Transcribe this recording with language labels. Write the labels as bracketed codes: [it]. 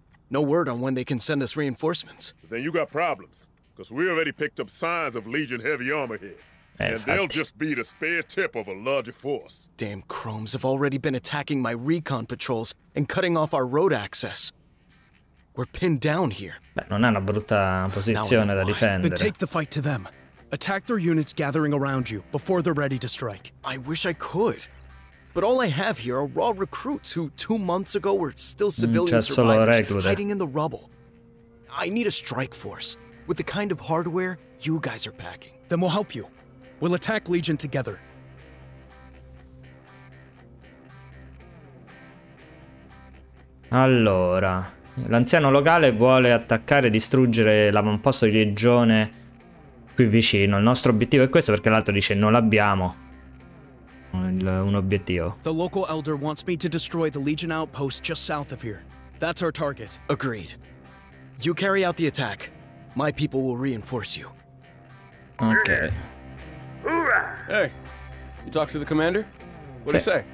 [en] No word on when they can send us reinforcements. Then you got problems. Because we already picked up signs of Legion heavy armor here. And they'll just be the spare tip of a larger force. Damn chromes have already been attacking my recon patrols and cutting off our road access. We're pinned down here. [it] Beh, non è una brutta posizione da difendere. [en] Then take the fight to them. Attack their units gathering around you before they're ready to strike. I wish I could. But all I have here are raw recruits who 2 months ago were still civilian survivors hiding in the rubble. I need a strike force with the kind of hardware you guys are packing. Then we'll help you. We'll attack Legion together. [it] Allora, l'anziano locale vuole attaccare e distruggere l'avamposto di Legione qui vicino. Il nostro obiettivo è questo, perché l'altro dice non l'abbiamo. Un obiettivo. [en] The local elder wants me to destroy the Legion outpost just south of here. That's our target. Agreed. You carry out the attack. My people will reinforce you. Ok. Hey, you talk to the commander? What'd he say?